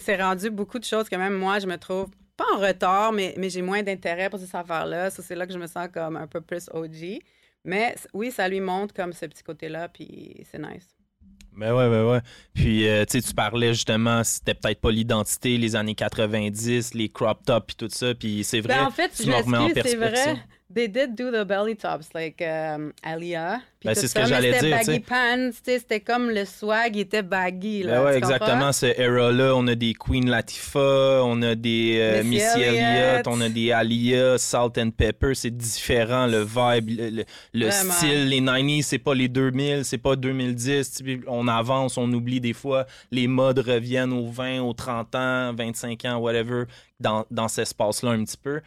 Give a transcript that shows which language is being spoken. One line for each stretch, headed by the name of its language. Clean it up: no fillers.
French: C'est rendu beaucoup de choses que même moi, je me trouve pas en retard, mais j'ai moins d'intérêt pour ces affaires-là. Ça, c'est là que je me sens comme un peu plus OG. Mais oui, ça lui montre comme ce petit côté-là, puis c'est nice. Ben ouais. Puis, tu parlais justement, c'était peut-être pas l'identité, les années 90, les crop top puis tout ça, puis c'est vrai. Ben en fait, je m'excuse, c'est vrai.
English: They did do the belly tops, like Aliyah.
French: Ben c'est ça, ce que j'allais c'était dire. C'était baggy t'sais. Pants, c'était comme le swag, il était baggy. Là, ben ouais, exactement, ce era-là, on a des Queen Latifah, on a des Missy Elliott, on a des Aliyah, Salt and Pepper, c'est différent, le vibe, le style, les 90s, c'est pas les 2000, c'est pas 2010, on avance, on oublie des fois, les modes reviennent aux 20, aux 30 ans, 25 ans, whatever, dans cet espace-là un petit peu.